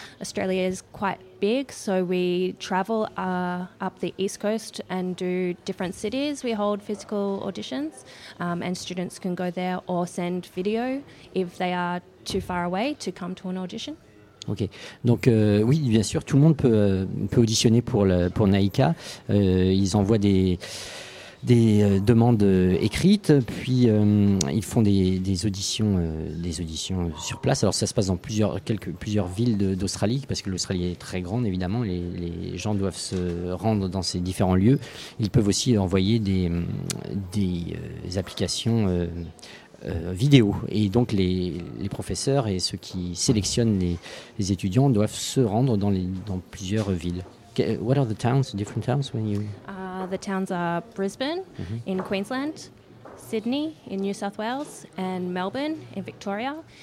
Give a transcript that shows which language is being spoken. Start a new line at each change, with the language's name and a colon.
English: Australia is quite big, so we travel up the East Coast and do different cities. We hold physical auditions, and students can go there or send video if they are too far away to come to an audition.
French: Ok, donc oui, bien sûr, tout le monde peut auditionner pour Nike. Ils envoient des demandes écrites, puis ils font des auditions sur place. Alors ça se passe dans plusieurs villes d'Australie, parce que l'Australie est très grande, évidemment. Les gens doivent se rendre dans ces différents lieux. Ils peuvent aussi envoyer des applications. Vidéo. Et donc les professeurs et ceux qui sélectionnent les étudiants doivent se rendre dans plusieurs villes.
English: What are the towns, different towns when you... The towns are Brisbane, mm-hmm, in Queensland, Sydney in New South Wales and Melbourne in Victoria.